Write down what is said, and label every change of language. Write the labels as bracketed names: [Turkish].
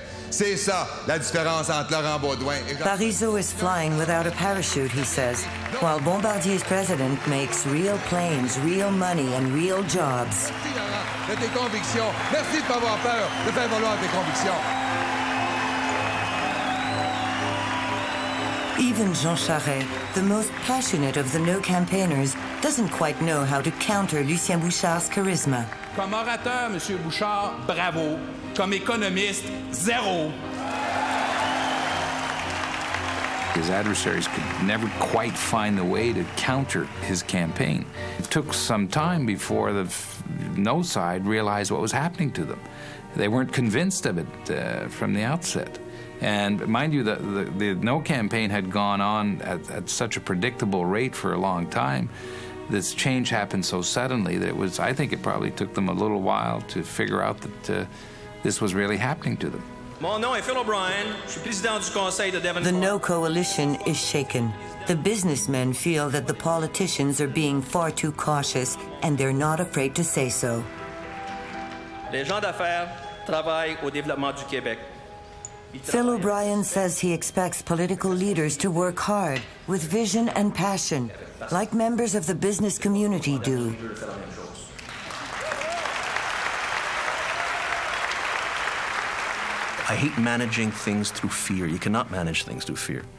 [French] C'est ça, la différence entre Laurent Beaudoin et Jacques [English] Parizeau. Is flying without a parachute, he says, while Bombardier's president makes real planes, real money, and real jobs. [French] Merci de m'avoir peur de faire valoir tes convictions. [English] Even Jean Charest, the most passionate of the no campaigners, doesn't quite know how to counter Lucien Bouchard's charisma. [French] Comme orateur, Monsieur Bouchard, bravo. Comme économiste, zéro. [English] His adversaries could never quite find the way to counter his campaign. It took some time before the no side realized what was happening to them. They weren't convinced of it from the outset. And mind you, the no campaign had gone on at such a predictable rate for a long time. This change happened so suddenly that I think it probably took them a little while to figure out that this was really happening to them. [French] Mon nom est Phil O'Brien. Je suis président du conseil de Devon. [English] The no coalition is shaken. The businessmen feel that the politicians are being far too cautious, and they're not afraid to say so. [French] Les gens d'affaires travaillent au développement du Québec. [English] Phil O'Brien says he expects political leaders to work hard, with vision and passion, like members of the business community do. I hate managing things through fear. You cannot manage things through fear.